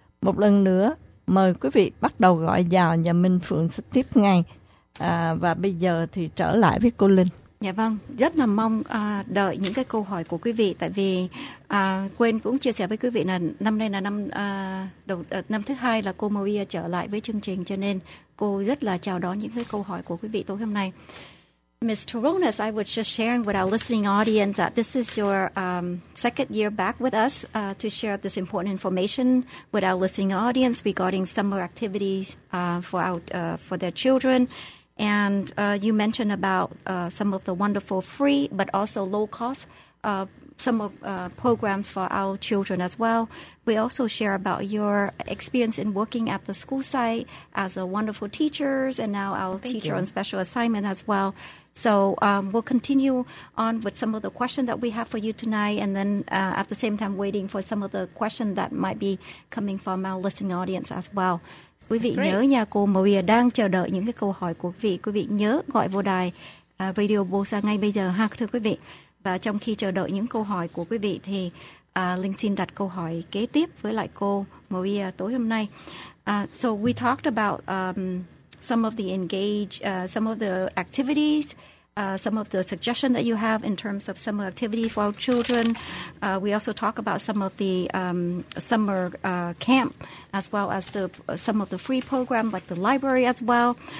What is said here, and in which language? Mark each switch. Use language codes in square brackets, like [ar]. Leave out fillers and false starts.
[vi] Một lần nữa, mời quý vị bắt đầu gọi vào nhà Minh Phượng sẽ tiếp ngay. Và bây giờ thì trở lại với cô Linh. Dạ vâng, rất là mong đợi những cái câu hỏi của quý vị, tại vì quên cũng chia sẻ với quý vị là năm nay là năm thứ hai là cô Maria trở lại với chương trình, cho nên cô rất là chào đón những cái câu hỏi của quý vị tối hôm nay. [en] Ms. Toronas, I was just sharing with our listening audience that this is your second year back with us to share this important information with our listening audience regarding summer activities for their children. And you mentioned about some of the wonderful free but also low-cost summer programs for our children as well. We also share about your experience in working at the school site as a wonderful teachers and now our Thank teacher you. On special assignment as well. So we'll continue on with some of the questions that we have for you tonight, and then at the same time waiting for some of the questions that might be coming from our listening audience as well. [vi] Quý vị [en] Great. [vi] Nhớ nha, cô Maria đang chờ đợi những cái câu hỏi của quý vị. Quý vị nhớ gọi vô đài Radio Bosa ngay bây giờ ha, thưa quý vị. Và trong khi chờ đợi những câu hỏi của quý vị thì Linh xin đặt câu hỏi kế tiếp với lại cô Maria tối hôm nay. [en] So we talked about some of the activities, some of the suggestions that you have in terms of summer activity for our children. We also talk about some of the summer camp as well as the some of the free program like the library as well.